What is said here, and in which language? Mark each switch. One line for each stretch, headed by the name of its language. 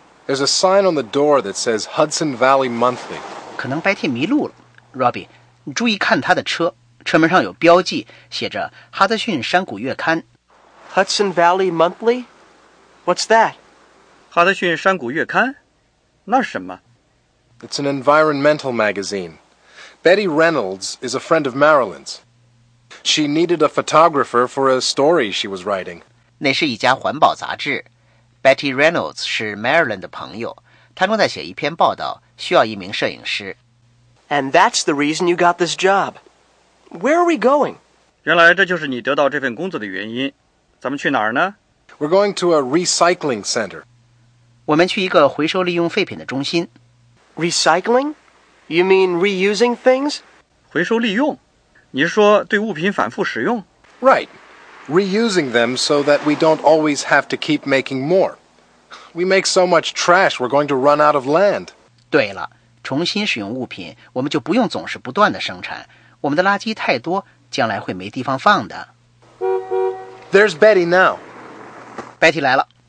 English: There's a sign on the door that says Hudson Valley Monthly.
Chinese: 可能 Betty 迷路了。Robbie, 你注意看她的车。车门上有标记，写着哈德逊山谷月刊。
English: Hudson Valley Monthly? What's that?
Chinese: 哈德逊山谷月刊？那是什么？
English: It's an environmental magazine. Betty Reynolds is a friend of Marilyn's. She needed a photographer for a story she was writing.
Chinese: 那是一家环保杂志。Betty Reynolds 是 Marilyn 的朋友，她正在写一篇报道，需要一名摄影师。
English: And that's the reason you got this job. Where are we going?
Chinese: 原来这就是你得到这份工作的原因。咱们去哪儿呢？
English: We're going to a recycling center.
Chinese: 我们去一个回收利用废品的中心。
English: Recycling? You mean reusing things?
Chinese: 回收利用？你是说对物品反复使用？
English: Right. Reusing them so that we don't always have to keep making more. We make so much trash, we're going to run out of land.
Chinese: 对了，重新使用物品，我们就不用总是不断的生产。我们的垃圾太多，将来会没地方放的。
English: There's Betty now.
Chinese: Betty 来了。